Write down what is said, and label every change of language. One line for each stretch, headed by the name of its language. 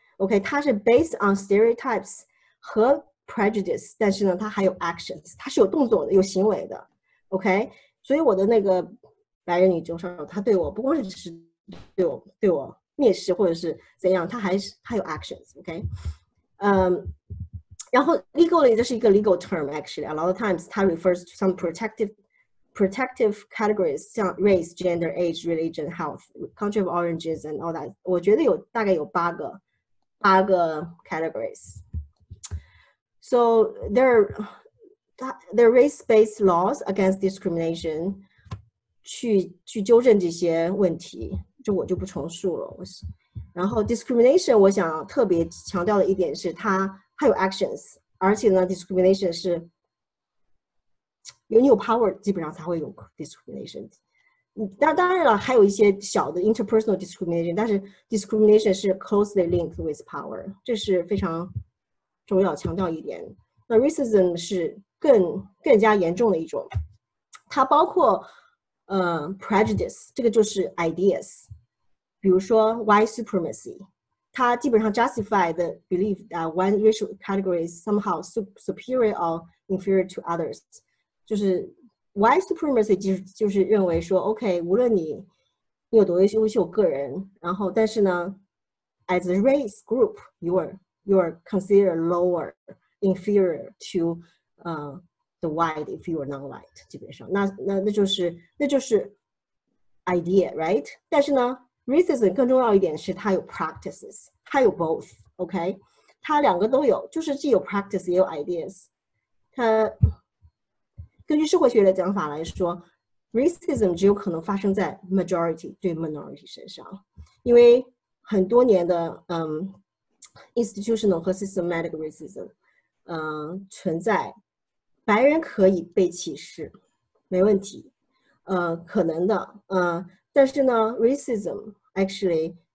Chinese: OK, 它是
English: based on stereotypes
Chinese: 和 prejudice, 但是呢它还有 actions, 它是有动作的有行为的。 OK, 所以我的那个白人女中上她对我不光是对我蔑视或者是怎样，她还是她有 actions, OK?
English: 然后 legally
Chinese: 这是一个
English: legal term actually, a lot of times 它 refers to some protective categories, 像 race, gender, age, religion, health, country of origins and all that.
Chinese: 我觉得有大概有八个 categories.
English: So there are race-based laws against discrimination
Chinese: 去纠正这些问题，这我就不重述了。然后 discrimination 我想特别强调的一点是它还有 actions, 而且呢 discrimination 是有你有 power 基本上才会有 discrimination, 当然了还有一些小的 interpersonal discrimination, 但是 discrimination 是
English: closely linked with power,
Chinese: 这是非常重要强调一点。那 racism 是更加严重的一种，它包括prejudice, 这个就是 ideas, 比如说 white supremacy,它基本上
English: justify the belief that one racial category is somehow superior or inferior to others. 就是 white supremacy
Chinese: 就是认为说
English: OK,
Chinese: 无论你有多优秀个人，然后但是呢
English: as a race group, you are considered lower, inferior to the white if you are non-white,
Chinese: 基本上。那就是 idea, right? 但是呢Racism 更重要一点是它有 practices, 它有 both, OK? 它两个都有，就是既有 practice 也有 ideas。 它根据社会学的讲法来说， racism 只有可能发生在 majority 对 minority 身上，因为很多年的institutional 和 systematic racism 存在，白人可以被歧视，没问题，可能的，但是呢 racism actually